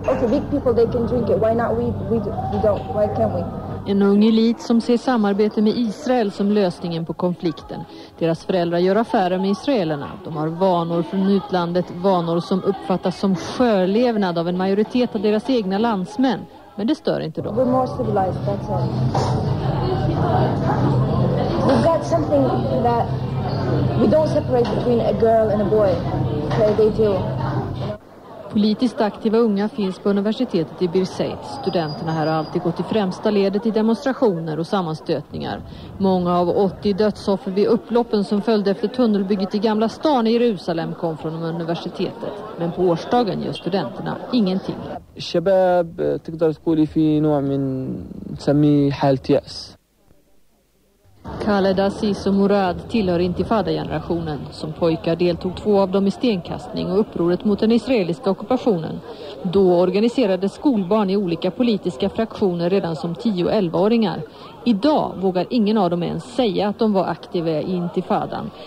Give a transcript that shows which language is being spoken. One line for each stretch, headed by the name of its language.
English: big people, they can drink it. Why not we don't? Why can't we?
Swedish: En ung elit som ser samarbete med Israel som lösningen på konflikten. Deras föräldrar gör affärer med israelerna. De har vanor från utlandet, vanor som uppfattas som skörlevnad av en majoritet av deras egna landsmän. Men det stör inte dem.
English: We're more civilized, that's all. We've got something that we don't separate between a girl and a boy. Okay, they do.
Swedish: Politiskt aktiva unga finns på universitetet i Birzeit. Studenterna här har alltid gått i främsta ledet i demonstrationer och sammanstötningar. Många av 80 dödsoffer vid upploppen som följde efter tunnelbygget i Gamla stan i Jerusalem kom från universitetet. Men på årsdagen gör studenterna ingenting.
Arabic: Shabab, tقدر تقول في نوع من نسميه حالة يأس.
Swedish: Khaled Aziz och Murad tillhör intifada-generationen. Som pojkar deltog två av dem i stenkastning och upproret mot den israeliska ockupationen. Då organiserade skolbarn i olika politiska fraktioner redan som 10-11-åringar. Idag vågar ingen av dem ens säga att de var aktiva i intifadan.